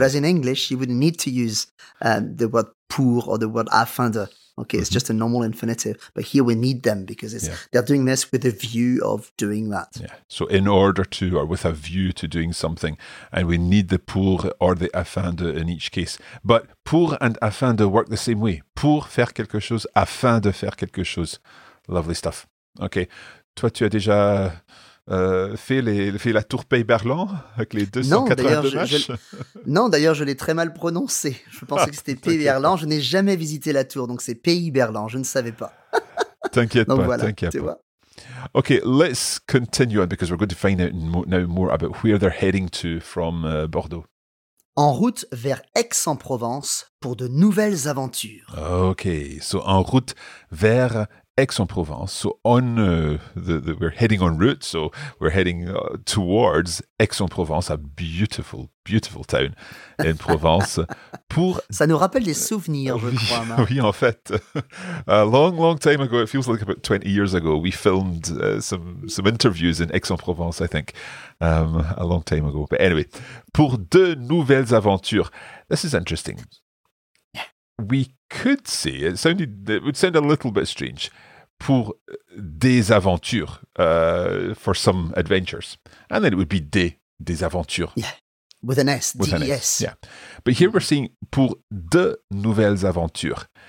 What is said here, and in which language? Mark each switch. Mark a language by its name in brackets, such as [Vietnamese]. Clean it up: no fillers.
[English] Whereas in English, you wouldn't need to use the word pour or the word afin de. Okay, it's just a normal infinitive, but here we need them because they're doing this with a view of doing that. Yeah, so in order to, or with a view to doing something, and we need the pour or the afin de in each case. But pour and afin de work the same way. [French] Pour faire quelque chose, afin de faire quelque chose. [English] Lovely stuff. [French] Okay, toi tu as déjà fait la tour Pays Berland avec les 282 marches. D'ailleurs, je l'ai très mal prononcé. Je pensais que c'était Pays Berland. Je n'ai jamais visité la tour, donc c'est Pays Berland. Je ne savais pas. T'inquiète pas. Voilà, t'inquiète pas. [English] Okay, let's continue on because we're going to find out now more about where they're heading to from Bordeaux. [French] En route vers Aix-en-Provence pour de nouvelles aventures. [English] Okay, so [French] en route vers Aix-en-Provence. [English] So on we're heading en route, so we're heading towards Aix-en-Provence, a beautiful, beautiful town in Provence. Pour... [French] Ça nous rappelle des souvenirs, je crois, Marc. Oui, en fait, [English] a long, long time ago, it feels like about 20 years ago, we filmed some interviews in Aix-en-Provence, I think, a long time ago. But anyway, [French] pour de nouvelles aventures. [English] This is interesting. We could say, it would sound a little bit strange, [French] pour des aventures, [English] for some adventures. And then it would be des aventures. Yeah, with an S, with D-E-S. An S. Yeah. But here we're saying [French] pour de nouvelles aventures.